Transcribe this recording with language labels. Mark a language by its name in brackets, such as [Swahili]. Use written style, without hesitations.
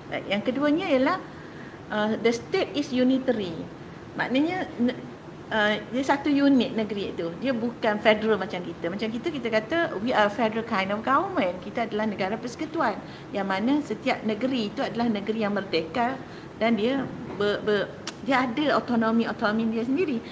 [Malay] Yang keduanya ialah [English] the state is unitary. [Malay] Maknanya dia satu unit negeri itu. Dia bukan federal macam kita. Macam kita, kita kata [English] we are a federal kind of government. [Malay] Kita adalah negara persekutuan, yang mana setiap negeri itu adalah negeri yang merdeka dan dia dia ada autonomi-autonomi dia sendiri.